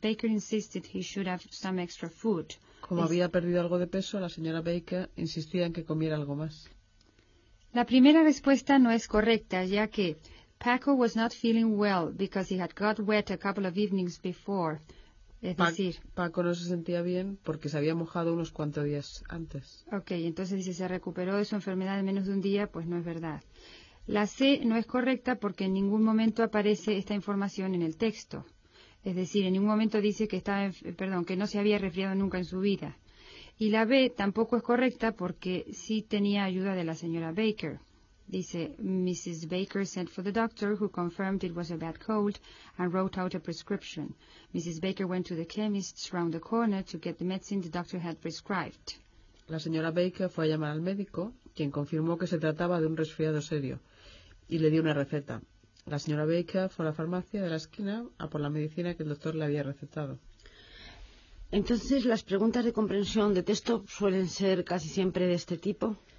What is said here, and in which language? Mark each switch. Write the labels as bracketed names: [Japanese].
[English] Baker insisted he should have some extra food. [Spanish] Como había perdido algo de peso, la señora Baker insistía en que comiera algo más. La primera respuesta no es correcta, ya que [English] Paco was not feeling well because he had got wet a couple of evenings before. [Spanish] Paco no se sentía bien porque se había mojado unos cuantos días antes. Ok, entonces dice se recuperó de su enfermedad en menos de un día, pues no es verdad. La C no es correcta porque en ningún momento aparece esta información en el texto. Es decir, en ningún momento dice que no se había resfriado nunca en su vida. Y la B tampoco es correcta porque sí tenía ayuda de la señora Baker. Dice, Mrs. [English] Baker sent for the doctor, who confirmed it was a bad cold and wrote out a prescription. Mrs. Baker went to the chemist's round the corner to get the medicine the doctor had prescribed. [Spanish] La señora Baker fue a llamar al médico, quien confirmó que se trataba de un resfriado serio, y le dio una receta. La señora Baker fue a la farmacia de la esquina a por la medicina que el doctor le había recetado. Entonces, ¿las preguntas de comprensión de texto suelen ser casi siempre de este tipo?